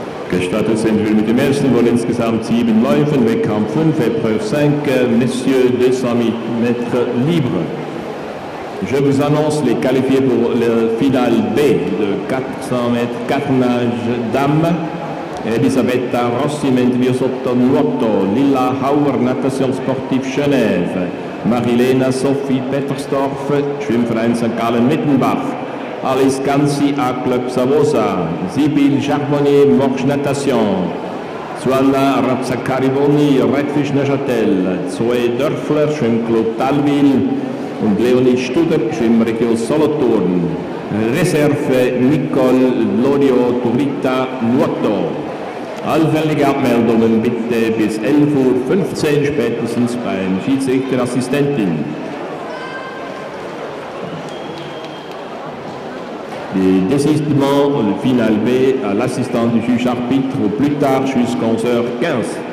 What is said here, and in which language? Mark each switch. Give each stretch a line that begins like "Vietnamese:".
German: Gestattet sind wir mit dem ersten von insgesamt 7 Läufen, Wettkampf 5,
French: Épreuve 5, Messieurs
German: 200 Meter Libre.
French: Je vous annonce les qualifiés pour le final B de 400 Meter, 4 nages dames. Elisabetta Rossi, Mendviosotto Nuoto, Lilla Hauer, Natation Sportive Genève,
German: Marilena Sophie Petersdorf, Schwimmfreund St. Gallen Mittenbach, Alice Gansi, A-Club Savosa, Sibyl Charbonnier, Morsch Natation, Suana Razzaccariboni, Redfish Neuchâtel, Zoe Dörfler, Schwimmclub Talwil und Leonie Studer, Schwimmregion Solothurn, Reserve Nicole Lorio Turita Nuoto. Allfällige Abmeldungen bitte bis 11.15 Uhr spätestens beim Schiedsrichterassistenten.
French: Le désistement final B à l'assistant du juge arbitre au plus tard jusqu'à 11h15.